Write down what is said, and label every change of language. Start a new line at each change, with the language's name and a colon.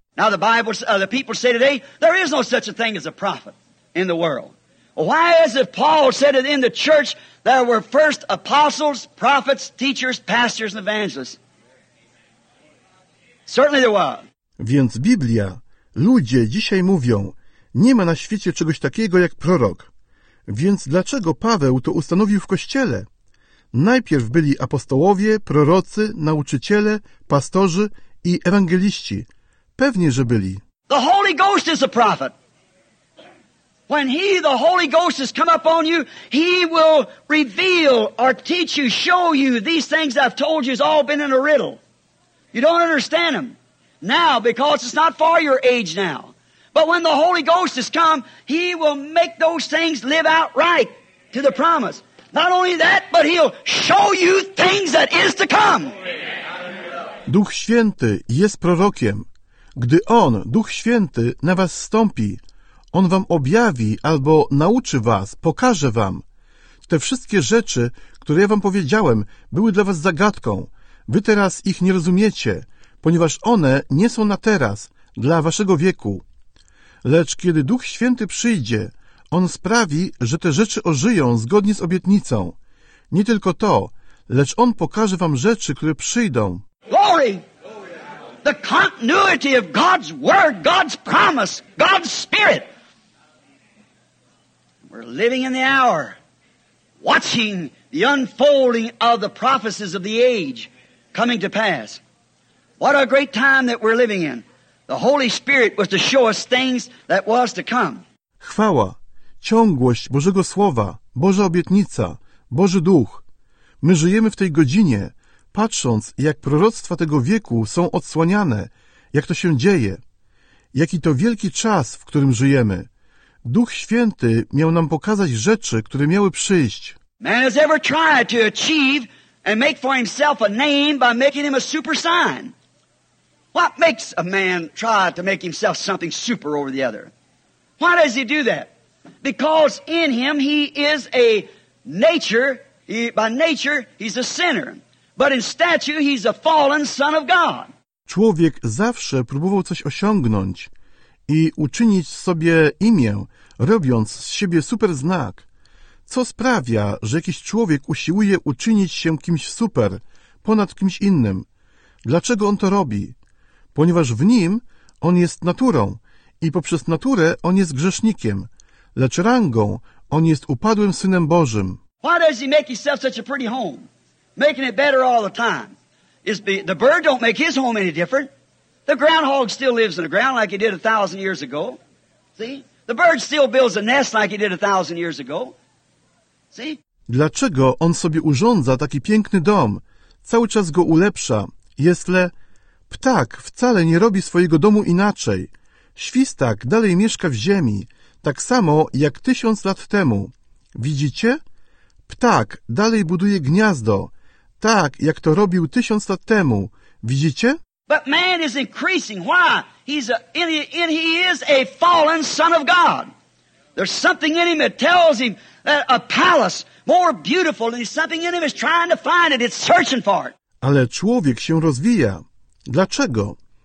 English: Now the Bible, the people say today, there is no such a thing as a prophet in the world. Why is it Paul said it in the church, there were first apostles, prophets, teachers, pastors and evangelists? Certainly there were.
Polish: Więc Biblia, ludzie dzisiaj mówią, nie ma na świecie czegoś takiego jak prorok. Więc dlaczego Paweł to ustanowił w Kościele? Najpierw byli apostołowie, prorocy, nauczyciele, pastorzy i ewangeliści. Pewnie, że byli.
English: The Holy Ghost is a prophet. When he, the Holy Ghost, has come upon you, he will reveal or teach you, show you these things I've told you has all been in a riddle. You don't understand them now because it's not for your age now. But when the Holy Ghost has come, he will make those things live out right to the promise. Not only that, but he'll show you things that is to come.
Polish: Duch Święty jest prorokiem. Gdy On, Duch Święty, na was zstąpi, On wam objawi albo nauczy was, pokaże wam. Te wszystkie rzeczy, które ja wam powiedziałem, były dla was zagadką. Wy teraz ich nie rozumiecie, ponieważ one nie są na teraz, dla waszego wieku. Lecz kiedy Duch Święty przyjdzie, On sprawi, że te rzeczy ożyją zgodnie z obietnicą. Nie tylko to, lecz On pokaże wam rzeczy, które przyjdą.
English: Glory! The continuity of God's word, God's promise, God's spirit. We're living in the hour, watching the unfolding of the prophecies of the age coming to pass. What a great time that we're living in. The Holy Spirit was to show us things that was to come.
Polish: Chwała, ciągłość Bożego Słowa, Boża obietnica, Boży Duch. My żyjemy w tej godzinie, patrząc, jak proroctwa tego wieku są odsłaniane, jak to się dzieje. Jaki to wielki czas, w którym żyjemy. Duch Święty miał nam pokazać rzeczy, które miały przyjść.
English: Man has ever tried to achieve and make for himself a name by making him a super sign. What makes a man try to make himself something super over the other? Why does he do that? Because in him he is a nature, by nature he's a sinner. But in statue he's a fallen son of God.
Polish: Człowiek zawsze próbował coś osiągnąć i uczynić sobie imię, robiąc z siebie super znak. Co sprawia, że jakiś człowiek usiłuje uczynić się kimś super, ponad kimś innym? Dlaczego on to robi? Ponieważ w nim on jest naturą i poprzez naturę on jest grzesznikiem, lecz rangą on jest upadłym synem Bożym.
English: Why does he make himself such a pretty home? Making it better all the time. The bird don't make his home any different. The groundhog still lives in the ground like he did 1,000 years ago. See? The bird still builds a nest like he did 1,000 years ago. See?
Polish: Dlaczego on sobie urządza taki piękny dom? Cały czas go ulepsza. Jestle, ptak wcale nie robi swojego domu inaczej. Świstak dalej mieszka w ziemi, tak samo jak 1000 lat temu. Widzicie? Ptak dalej buduje gniazdo, tak jak to robił 1000 lat temu. Widzicie?
English: But man is increasing. Why? He is a fallen son of God. There's something in him that tells him that a palace more beautiful, and there's something in him is trying to find it. It's searching for it.
Polish: Ale człowiek się rozwija. Dlaczego?